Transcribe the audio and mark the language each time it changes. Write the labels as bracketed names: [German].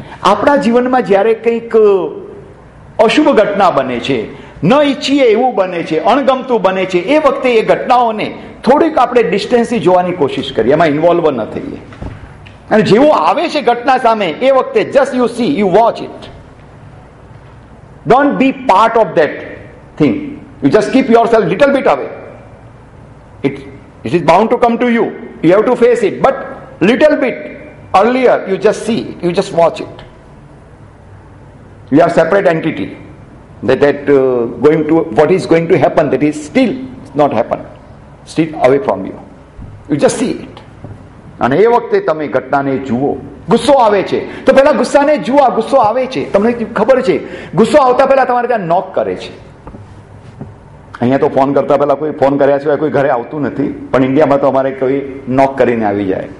[Gujarati] આપણા જીવનમાં જ્યારે કંઈક અશુભ ઘટના બને છે, ન ઈચ્છીએ એવું બને છે, અણગમતું બને છે, એ વખતે એ ઘટનાઓને થોડીક આપણે ડિસ્ટન્સથી જોવાની કોશિશ કરીએ, એમાં ઇન્વોલ્વ ન થઈએ. અને જેવો આવે છે ઘટના સામે, એ વખતે [English] Just you see, you watch it, don't be part of that thing, you just keep yourself little bit away. It is bound to come to you. You have to face it. But little bit earlier, you just see it, you just watch it. You are separate entity. What is going to happen, that is still not happened. Still away from you. You just see it. [Gujarati] અને એ વખતે તમે ઘટનાને જુઓ, ગુસ્સો આવે છે તો પહેલા ગુસ્સાને જુઓ, ગુસ્સો આવે છે, તમને ખબર છે, ગુસ્સો આવતા પહેલા તમારે ત્યાં નોક કરે છે. અહીંયા તો ફોન કરતા પહેલા કોઈ ફોન કર્યા સિવાય કોઈ ઘરે આવતું નથી, પણ ઇન્ડિયામાં તો અમારે કોઈ નોક કરીને આવી જાય.